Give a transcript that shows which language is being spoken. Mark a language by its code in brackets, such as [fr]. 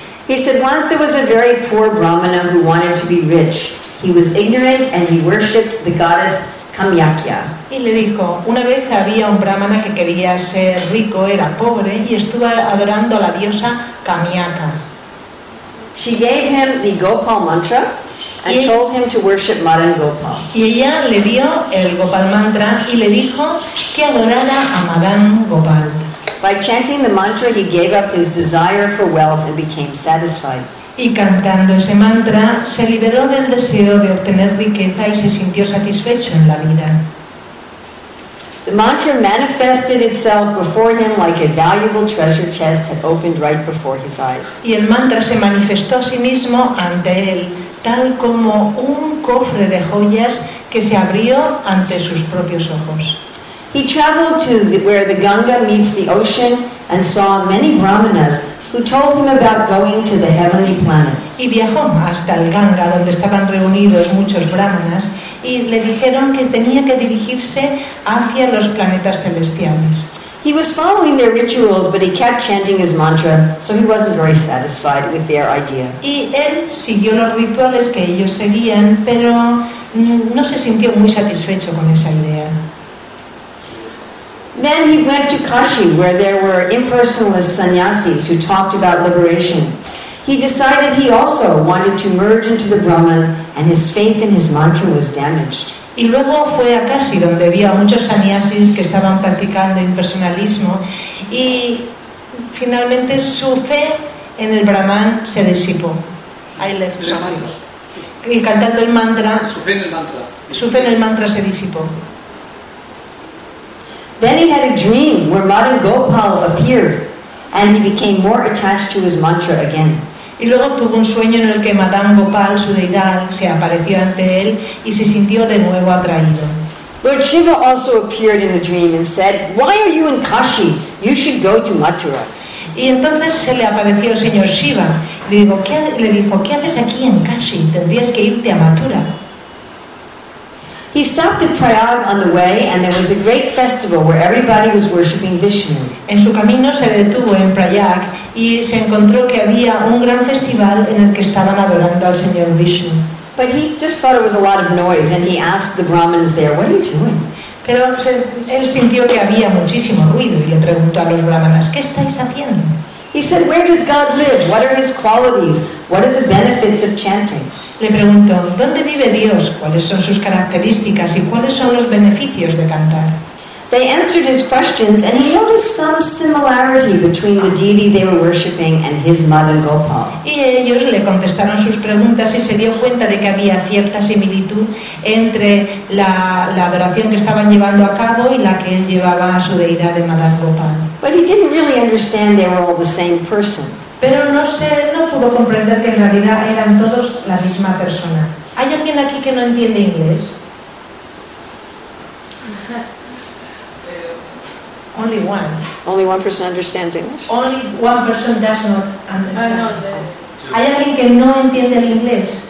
[en] He said once there was a very poor brahmana who wanted to be rich. He was ignorant and he worshipped the goddess Kamyakya. [es] Y le dijo, una vez había un brahmana que quería ser rico, era pobre y estuvo adorando a la diosa Kamyaka. [en] She gave him the Gopal mantra and told him to worship Madan Gopal. [es] Y ella le dio el Gopal mantra y le dijo que adorara a Madan Gopal. [en] By chanting the mantra, he gave up his desire for wealth and became satisfied. [es] Y cantando ese mantra, se liberó del deseo de obtener riqueza y se sintió satisfecho en la vida. [en] The mantra manifested itself before him like a valuable treasure chest had opened right before his eyes. [es] Y el mantra se manifestó a sí mismo ante él, tal como un cofre de joyas que se abrió ante sus propios ojos. [en] He traveled to where the Ganga meets the ocean and saw many brahmanas who told him about going to the heavenly planets. [es] Y viajó hasta el Ganga, donde estaban reunidos muchos brahmanas, y le dijeron que tenía que dirigirse hacia los planetas celestiales. [en] He was following their rituals, but he kept chanting his mantra, so he wasn't very satisfied with their idea. [es] Y él siguió los rituales que ellos seguían, pero no se sintió muy satisfecho con esa idea. [en] Then he went to Kashi, where there were impersonalist sannyasis who talked about liberation. He decided he also wanted to merge into the Brahman, and his faith in his mantra was damaged. [es] Y luego fue a Kashi, donde había muchos sannyasis que estaban practicando impersonalismo, y finalmente su fe en el Brahman se disipó. [en] I left Samadhi. [es] Y cantando el mantra, su fe en el mantra se disipó. [en] Then he had a dream where Madan Gopal appeared, and he became more attached to his mantra again. [es] Y luego tuvo un sueño en el que Madan Gopal, su deidad, se apareció ante él y se sintió de nuevo atraído. [en] Lord Shiva also appeared in the dream and said, "Why are you in Kashi? You should go to Mathura." [es] Y entonces se le apareció el señor Shiva. Le dijo, "¿Qué haces aquí en Kashi? Tendrías que irte a Mathura." [en] He stopped at Prayag on the way, and there was a great festival where everybody was worshiping Vishnu. [es] En su camino se detuvo en Prayag y se encontró que había un gran festival en el que estaban adorando al señor Vishnu. [en] But he just thought it was a lot of noise, and he asked the Brahmins there, "What are you doing?" [es] Pero él sintió que había muchísimo ruido y le preguntó a los brahmanas, ¿qué estáis haciendo? [en] He said, where does God live? What are his qualities? What are the benefits of chanting? [es] Le preguntó, ¿dónde vive Dios? ¿Cuáles son sus características y cuáles son los beneficios de cantar? [en] They answered his questions and he noticed some similarity between the deity they were worshiping and his mother Gopal. [es] Y ellos le contestaron sus preguntas y se dio cuenta de que había cierta similitud entre la adoración que estaban llevando a cabo y la que él llevaba a su deidad de Madan Gopal. [en] But he didn't really understand they were all the same person. [es] Pero no pudo comprender que en realidad eran todos la misma persona. ¿Hay alguien aquí que no entiende inglés? [en] Only one. Only one person understands English. Only one person does not understand. [es] No, no, ¿hay alguien que no entiende el inglés?